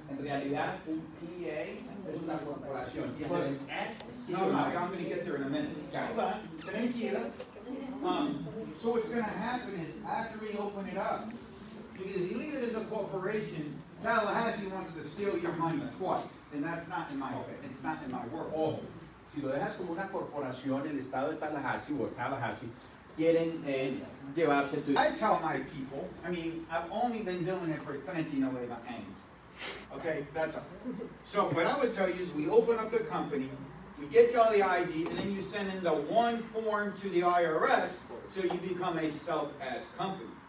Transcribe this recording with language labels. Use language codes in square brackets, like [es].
[es] En realidad, un PA es una corporación. [en] No, I'm going to get there in a minute. Hold on. So what's going to happen is after we open it up, because if you leave it as a corporation, Tallahassee wants to steal your money twice, and that's not in my okay. It's not in my world. [es] Ojo, si lo dejas como una corporación, el estado de Tallahassee o Tallahassee quieren llevarse tu. [en] I tell my people. I mean, I've only been doing it for 29 years. Okay, that's all. So what I would tell you is, we open up the company, we get you all the ID, and then you send in the one form to the IRS, so you become a self-S company.